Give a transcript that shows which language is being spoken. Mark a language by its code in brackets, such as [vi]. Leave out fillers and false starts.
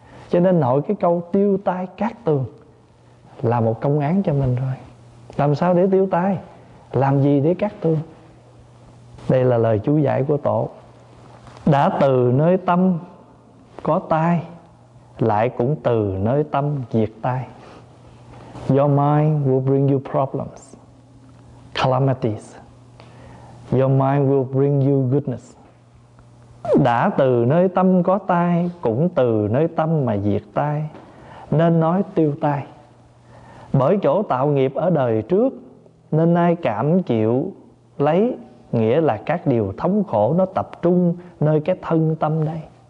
[vi] Cho nên nội cái câu tiêu tai cát tường là một công án cho mình rồi. Làm sao để tiêu tai? Làm gì để cát tường? Đây là lời chú giải của tổ. Đã từ nơi tâm có tai, lại cũng từ nơi tâm diệt tai. [en] Your mind will bring you problems, calamities. Your mind will bring you goodness. [vi] Đã từ nơi tâm có tai, cũng từ nơi tâm mà diệt tai, nên nói tiêu tai. Bởi chỗ tạo nghiệp ở đời trước, nên ai cảm chịu lấy, nghĩa là các điều thống khổ nó tập trung nơi cái thân tâm đây.